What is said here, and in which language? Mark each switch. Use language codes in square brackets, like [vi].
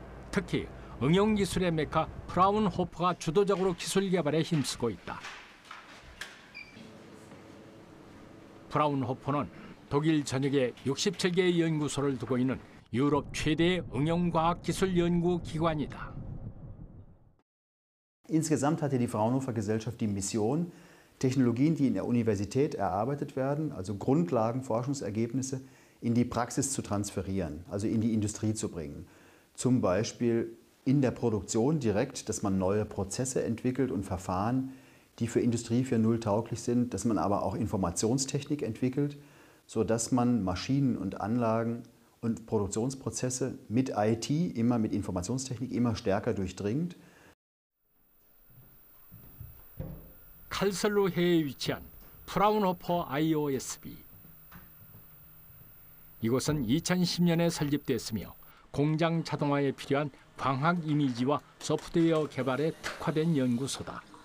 [ko] 특히 응용 기술의 메카 프라운호퍼가 주도적으로 기술 개발에 힘쓰고 있다. 프라운호퍼는 독일 전역에 67개의 연구소를 두고 있는 유럽 최대의 응용과학기술연구기관이다. [de] Insgesamt hatte die Fraunhofer Gesellschaft die Mission, Technologien, die in der Universität erarbeitet werden, also Grundlagen, Forschungsergebnisse, in die Praxis zu transferieren, also in die Industrie zu bringen. Zum Beispiel in der Produktion direkt, dass man neue Prozesse entwickelt und Verfahren, die für Industrie 4.0 tauglich sind, dass man aber auch Informationstechnik entwickelt, sodass man Maschinen und Anlagen und Produktionsprozesse mit IT, immer mit Informationstechnik, immer stärker durchdringt. [ko] 칼슬로해에 위치한 프라운호퍼 IOSB. 이곳은 2010년에 설립됐으며 공장 자동화에 필요한 광학 이미지와 소프트웨어 개발에 특화된 연구소다.